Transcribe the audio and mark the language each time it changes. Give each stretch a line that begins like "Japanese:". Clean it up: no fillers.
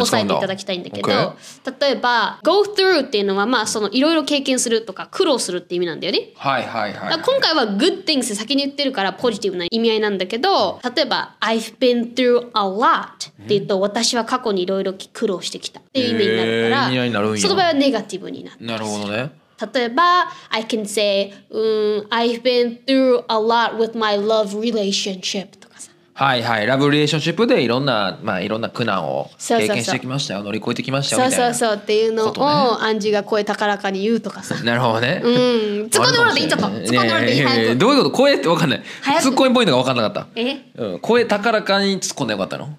Japanese: に使うんだ。押さえていただきたいんだけど、
English: okay.
Japanese: 例えば、go through っていうのは、まあ、そのいろいろ経験するとか、苦労するって意味なんだよね。はいはいはい。だから今回は good things 先に言ってるから、ポジティブな意味合いなんだけど、例えば、
English: I've been through a lot
Japanese: って言うと、私は過去にいろいろ苦労してきたっていう意味になるから、意味合いになるんや。その場合はネガティブになってる。なるほどね。
English: 例えば、I can say, I've been through a lot with my love relationship
Japanese: とかさ。はいはい、ラブリレーションシップでいろんな、まあ、いろんな苦難を経験してきましたよ、そうそうそう、乗り越えてきましたよみたいな、ね。そうそうそうっていうのをアンジーが声高らかに言うとかさ。なるほどね。うん、突っ込んでもらっていいちょっと。突っ込んでもらっていい。どういうこと？声って分かんない。突っ込みポイントが分かんなかった。え？うん、声高らかに突っ込んでよかったの？